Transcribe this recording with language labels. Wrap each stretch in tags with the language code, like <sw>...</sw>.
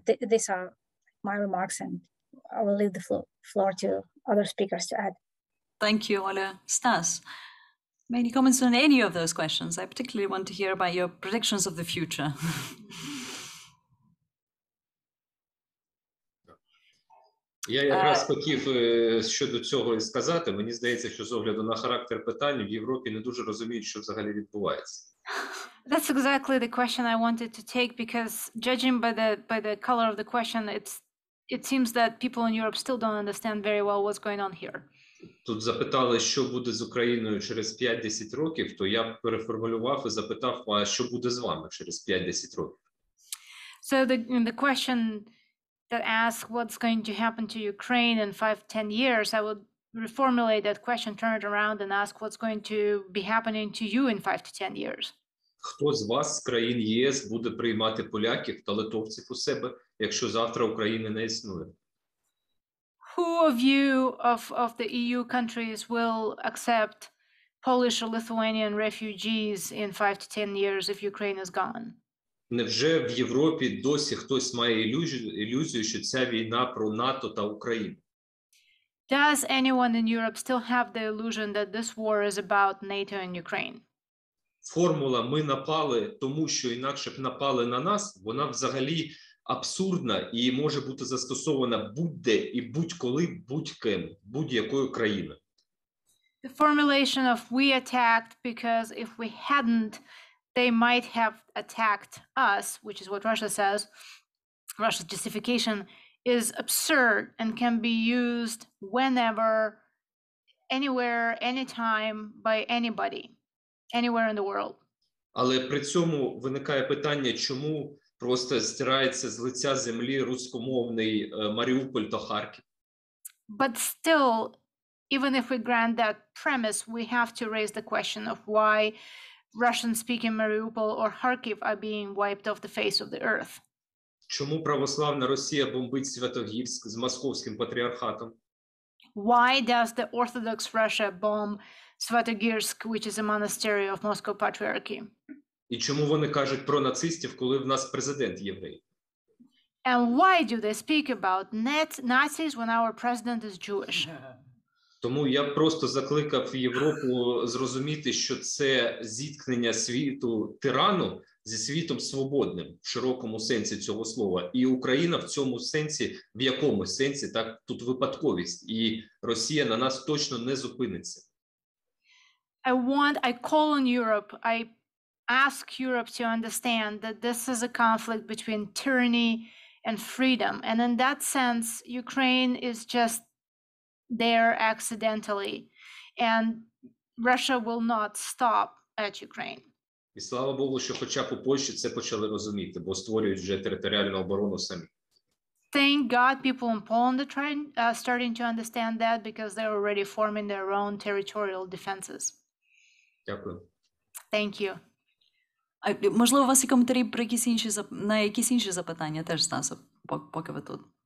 <en>These are my remarks, and I will leave the floor to other speakers to add. Thank you, Olya. Stas, any comments on any of those questions? I particularly want to hear about your predictions of the future.</en> <uk>Я якраз хотів щодо цього і сказати. Мені здається, що з огляду на характер питань в Європі не дуже розуміють, що взагалі відбувається.</uk> <en>That's exactly the question I wanted to take, because judging by the color of the question, it seems that people in Europe still don't understand very well what's going on here.</en> <uk>Тут запитали, що буде з Україною через 5-10 років, то я переформулював і запитав, а що буде з вами через 5-10 років?</uk> <en>So the question that asks what's going to happen to Ukraine in 5-10 years, I would reformulate that question, turn it around and ask what's going to be happening to you in 5-10 years.</en> <uk>Хто з вас з країн ЄС буде приймати поляків та литовців у себе, якщо завтра України не існує?</uk> <en>Who of you of the EU countries will accept Polish or Lithuanian refugees in 5-10 years if Ukraine is gone?</en> <uk>Невже в Європі досі хтось має ілюзію, що ця війна про НАТО та Україну?</uk> <en>Does anyone in Europe still have the illusion that this war is about NATO and Ukraine?</en> <uk>Формула «ми напали, тому що інакше б напали на нас», вона взагалі абсурдна і може бути застосована будь-де і будь-коли, будь-ким, будь-якою країною.</uk> <en>The formulation of we attacked because if we hadn't, they might have attacked us, which is what Russia says, Russia's justification, is absurd and can be used whenever, anywhere, anytime, by anybody, anywhere in the world.</en> <uk>Але при цьому виникає питання, чому просто стирається з лиця землі руськомовний Маріуполь та Харків.</uk> <en>But still even if we grant that premise, we have to raise the question of why Russian-speaking Mariupol or Kharkiv are being wiped off the face of the earth.</en> <uk>Чому православна Росія бомбить Святогірськ з московським патріархатом?</uk> <en>Why does the Orthodox Russia bomb Svatogirsk, which is a monastery of Moscow Patriarchy?</en> <uk>І чому вони кажуть про нацистів, коли в нас президент єврей?</uk> <en>And why do they speak about Nazis when our president is Jewish?</en> <uk>Тому я просто закликав Європу зрозуміти, що це зіткнення світу тирану зі світом свободним в широкому сенсі цього слова. І Україна в цьому сенсі, в якомусь сенсі, так, тут випадковість. І Росія на нас точно не зупиниться.</uk> <en>I call on Europe, I ask Europe to understand that this is a conflict between tyranny and freedom. And in that sense, Ukraine is just there accidentally. And Russia will not stop at Ukraine.</en> <uk>І слава Богу, що хоча б у Польщі це почали розуміти, бо створюють вже територіальну оборону самі.</uk> <en>Thank God people in Poland are starting to understand that because they're already forming their own territorial defenses.</en> <uk>Дякую.</uk> <en>Thank you.</en> <uk>А, можливо, у вас є коментарі про якісь інші, на якісь інші запитання теж, Стасу, поки ви тут?</uk>